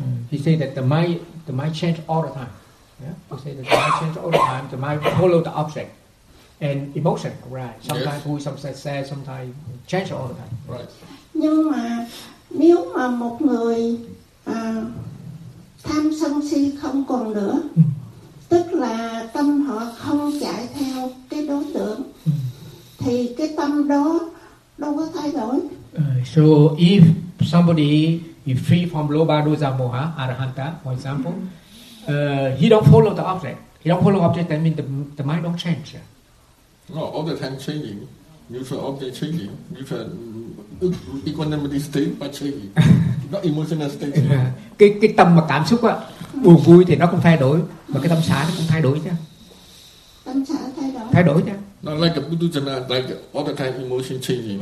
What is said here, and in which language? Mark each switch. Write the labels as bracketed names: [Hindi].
[English] He say that the mind change all the time. Yeah? He say that the mind change all the time. The mind follow the object and emotion, right? Sometimes yes. [Vietnamese] Vui, [English] sometimes sad, sometimes change all the time. Right. [Vietnamese] Nhưng mà nếu mà một người tham sân si không còn nữa, tức là tâm họ không chạy theo cái đối tượng, thì cái tâm đó đâu có thay đổi. [English] So if somebody is free from lobha, dosa, moha, arahanta, for example, he don't follow the object. He don't follow object, that means the mind don't change. No, all the time changing. Neutral object changing. Neutral equanimity state, but changing. Not emotional state. [Vietnamese] cái tâm mà cảm xúc á, buồn vui thì nó cũng thay đổi. Mà cái tâm xả nó cũng thay đổi chứ. Tâm xả thay đổi. Thay đổi chứ. [English] Not like a Buddha Jana, like all the time emotion changing.